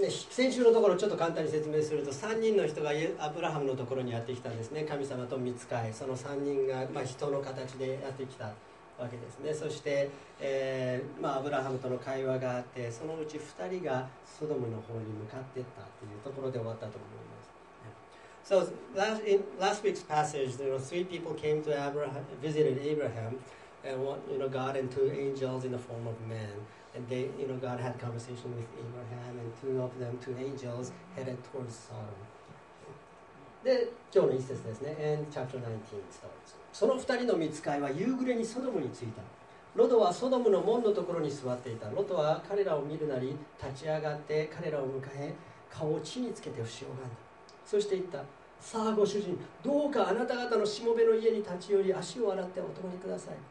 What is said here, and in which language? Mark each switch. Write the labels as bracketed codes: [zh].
[ja] 先週のところちょっと簡単に説明すると、3人の人がアブラハムのところにやってきたんですね。神様と御使い、その3人が、まあ、人の形でやってきた。わけですね、そして、まあ、アブラハムとの会話があって、そのうち2人がソドムの方に向かっていったというところで終わったと思います。 [en] So, in last week's passage, you know, three people came to Abraham, visited Abraham, and one, you know, God and two angels in the form of men. And they, you know, God had a conversation with Abraham, and two of them, two angels, headed towards Sodom. [ja] で、今日の一節ですね。 [en] And chapter 19 starts. [ja] その二人の御使いは夕暮れにソドムに着いた。ロドはソドムの門のところに座っていた。ロドは彼らを見るなり立ち上がって彼らを迎え、顔を地につけて伏し拝んだ。そして言った、さあご主人、どうかあなた方のしもべの家に立ち寄り、足を洗ってお泊まりください。